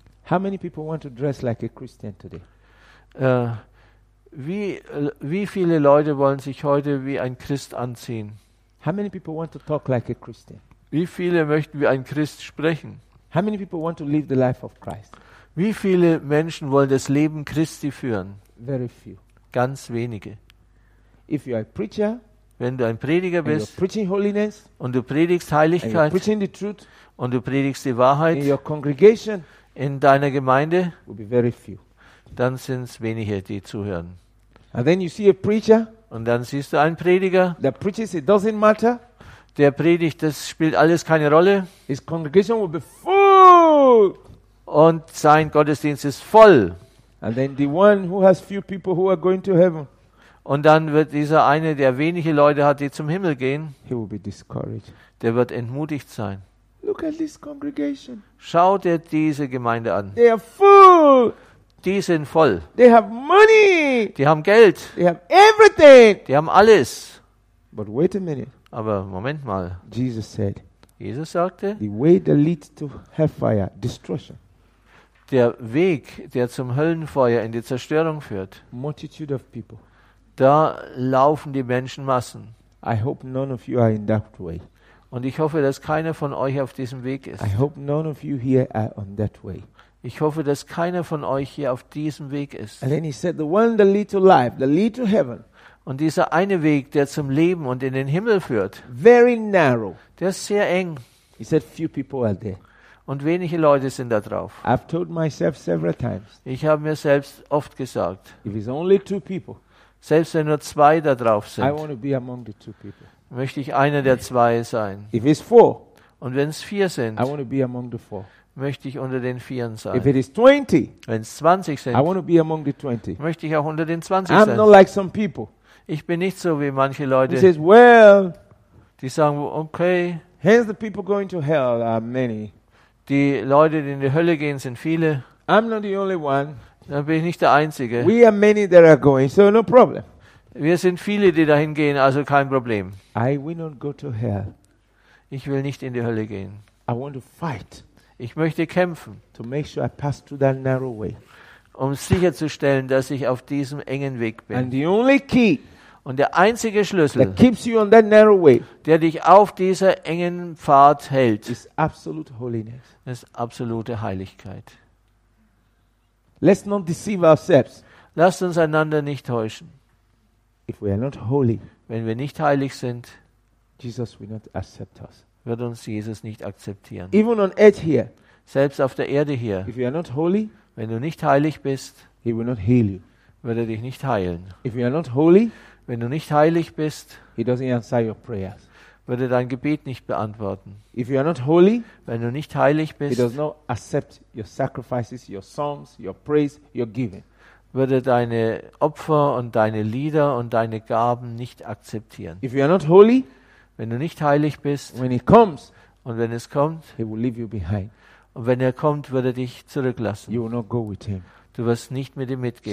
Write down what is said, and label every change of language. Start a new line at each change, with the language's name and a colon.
English: How many people want to dress like a Christian today?
German: Wie viele Leute wollen sich heute wie ein Christ anziehen?
English: How many people want to talk like a Christian?
German: Wie viele möchten wie ein Christ sprechen?
English: How many people want to live the life of Christ?
German: Wie viele Menschen wollen das Leben Christi führen?
English: Very few.
German: Ganz wenige.
English: If you are a preacher,
German: wenn du ein Prediger bist,
English: and you're preaching holiness,
German: und du predigst Heiligkeit,
English: and you're preaching the truth,
German: und du predigst die Wahrheit,
English: in your congregation,
German: in deiner Gemeinde,
English: will be very few.
German: Dann sind es wenige, die zuhören.
English: And then you see a preacher,
German: und dann siehst du einen Prediger,
English: that preaches, it doesn't matter.
German: Der predigt, das spielt alles keine Rolle.
English: His congregation will be full.
German: Und sein Gottesdienst ist voll.
English: And then the one who has few people who are going to heaven.
German: Und dann wird dieser eine, der wenige Leute hat, die zum Himmel gehen,
English: he will be discouraged.
German: Der wird entmutigt sein.
English: Look at this congregation.
German: Schau dir diese Gemeinde an.
English: They are full.
German: Die sind voll.
English: They have money.
German: Die haben Geld.
English: They have everything.
German: Die haben alles.
English: But wait a minute.
German: Aber Moment mal.
English: Jesus said.
German: Jesus sagte,
English: the way that leads to hellfire, destruction.
German: Der Weg, der zum Höllenfeuer in die Zerstörung führt.
English: Multitude of people.
German: Da laufen die Menschenmassen.
English: I hope none of you are in that way.
German: Und ich hoffe, dass keiner von euch auf diesem Weg ist.
English: I hope none of you here are on that way.
German: Ich hoffe, dass keiner von euch hier auf diesem Weg ist.
English: And then he said, the one that leads to life, the lead to heaven.
German: Und dieser eine Weg, der zum Leben und in den Himmel führt.
English: Very narrow.
German: Der ist sehr eng.
English: He said, few people are there.
German: Und wenige Leute sind da drauf.
English: I've told myself several times.
German: Ich habe mir selbst oft gesagt.
English: If it's only two people.
German: Selbst wenn nur zwei da drauf sind.
English: I want to be among the two people.
German: Möchte ich einer der zwei sein.
English: If it's four.
German: Und wenn es vier sind.
English: I want to be among the four.
German: Möchte ich unter den Vieren sein.
English: If it is 20.
German: Wenn es 20 sind.
English: I want to be among the 20.
German: Möchte ich auch unter den 20 sein.
English: I'm not like some people.
German: Ich bin nicht so wie manche Leute.
English: Says, well,
German: die sagen, okay.
English: Hence the people going to hell are many.
German: Die Leute, die in die Hölle gehen, sind viele.
English: I'm not the only one.
German: Da bin ich nicht der Einzige.
English: We are many that are going, so no problem.
German: Wir sind viele, die dahin gehen, also kein Problem.
English: I will not go to hell.
German: Ich will nicht in die Hölle gehen.
English: I want to fight.
German: Ich möchte kämpfen.
English: To make sure I pass through that narrow way.
German: Um sicherzustellen, dass ich auf diesem engen Weg bin.
English: And the only key,
German: und der einzige Schlüssel,
English: that keeps you on that narrow way,
German: der dich auf dieser engen Pfad hält,
English: is absolute holiness.
German: Ist absolute Heiligkeit.
English: Let's not deceive ourselves.
German: Lasst uns einander nicht täuschen.
English: If we are not holy,
German: wenn wir nicht heilig sind,
English: Jesus will not accept us.
German: Wird uns Jesus nicht akzeptieren.
English: Even on earth here,
German: selbst auf der Erde hier,
English: if we are not holy,
German: wenn du nicht heilig bist,
English: he will not heal you.
German: Wird er dich nicht heilen.
English: If you are not holy,
German: wenn du nicht heilig bist,
English: he doesn't answer your prayers.
German: Wird er dein Gebet nicht beantworten.
English: If you are not holy,
German: wenn du nicht heilig bist,
English: he does not accept your sacrifices, your songs, your praise, your giving.
German: Wird er deine Opfer und deine Lieder und deine Gaben nicht akzeptieren.
English: If you are not holy,
German: wenn du nicht heilig bist,
English: when he comes,
German: und wenn es kommt,
English: he will leave you behind.
German: Und wenn er kommt, wird er dich zurücklassen.
English: You will not go with him.
German: Du wirst nicht mit ihm mitgehen.